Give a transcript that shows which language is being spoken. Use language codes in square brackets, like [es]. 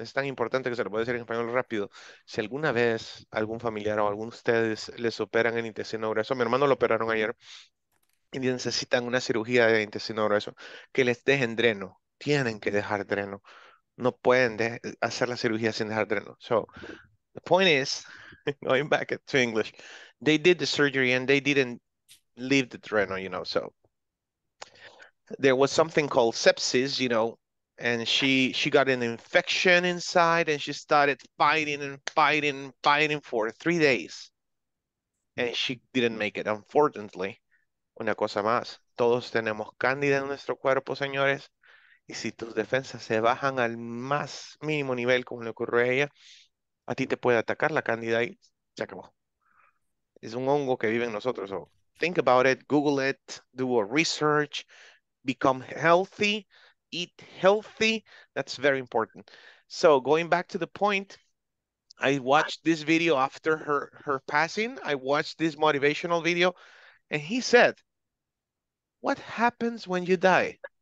[es] Es tan importante que se lo puede decir en español rápido. Si alguna vez algún familiar o alguno de ustedes les operan el intestino grueso, mi hermano lo operaron ayer, y necesitan una cirugía de intestino grueso, que les dejen dreno. Tienen que dejar dreno. No pueden hacer la cirugía sin dejar dreno. [en] So, the point is, going back to English, they did the surgery and they didn't leave the dreno, you know, so. There was something called sepsis, you know, and she got an infection inside and she started fighting and fighting and fighting for 3 days. And she didn't make it, unfortunately. [es] Una cosa más. Todos tenemos cándida en nuestro cuerpo, señores. Y si tus defensas se bajan al más mínimo nivel, como le ocurrió a ella, a ti te puede atacar la cándida y se acabó. Es un hongo que vive en nosotros. [en] So think about it, Google it, do a research. Become healthy, eat healthy. That's very important. So going back to the point, I watched this video after her passing. I watched this motivational video and he said, what happens when you die?